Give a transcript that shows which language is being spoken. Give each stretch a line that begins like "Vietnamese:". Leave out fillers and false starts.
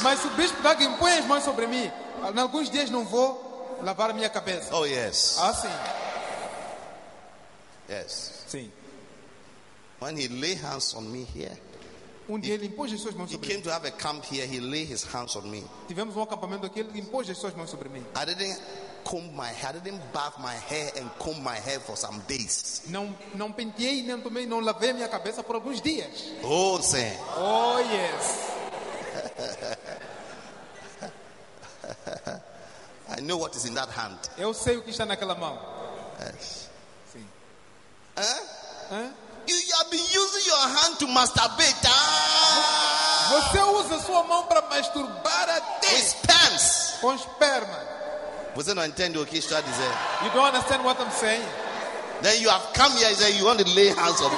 Portuguese: Mas se o Bishop Doug impõe as mãos sobre mim, em alguns dias não vou lavar a minha cabeça.
English: Oh yes.
Portuguese: Ah sim.
English: Yes.
Portuguese: Sim.
English: When he lay hands on me here,
Portuguese: ele impôs as suas mãos sobre mim.
English: He came to have a camp here. He lay his hands on me.
Portuguese: Tivemos um acampamento aqui. Ele impôs as suas mãos sobre mim.
English: I didn't comb my hair. I didn't bath my hair and comb my hair for some days.
Portuguese: Não penteei nem tomei, não lavei minha cabeça por alguns dias. Oh, sim.
English: Oh, yes. I know what is in that hand.
Portuguese: Eu sei o que está naquela mão.
English: Yes.
Portuguese: Sim.
English: You have been using your hand to masturbate.
Portuguese: Você usa sua mão para masturbar até.
English: With sperms.
Portuguese: Com esperma. Você não entende o que estou a dizer.
English: You don't understand what I'm saying. Then you have come here and say you want to lay hands on me.